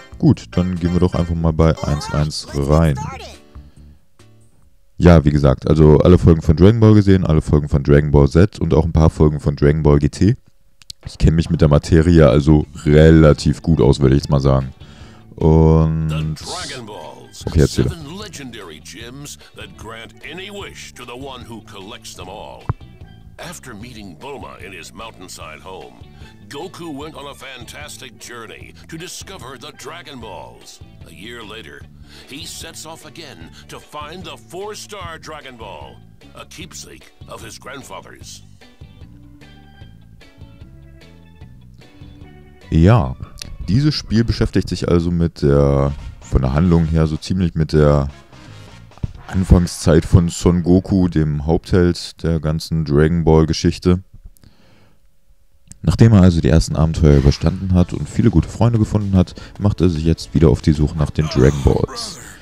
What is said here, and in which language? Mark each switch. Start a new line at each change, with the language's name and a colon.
German: Gut, dann gehen wir doch einfach mal bei 1-1 rein. Ja, wie gesagt, also alle Folgen von Dragon Ball gesehen, alle Folgen von Dragon Ball Z und auch ein paar Folgen von Dragon Ball GT. Ich kenne mich mit der Materie also relativ gut aus, würde ich jetzt mal sagen. Und okay, erzähle.
English: Legendary gems that grant any wish to the one who collects them all. After meeting Bulma in his mountainside home, Goku went on a fantastic journey to discover the Dragon Balls. A year later, he sets off again to find the four-star Dragon Ball, a keepsake of his grandfather's.
German: Ja, dieses Spiel beschäftigt sich also mit der, von der Handlung her, so ziemlich mit der Anfangszeit von Son Goku, dem Hauptheld der ganzen Dragon Ball Geschichte. Nachdem er also die ersten Abenteuer überstanden hat und viele gute Freunde gefunden hat, macht er sich jetzt wieder auf die Suche nach den Dragon Balls.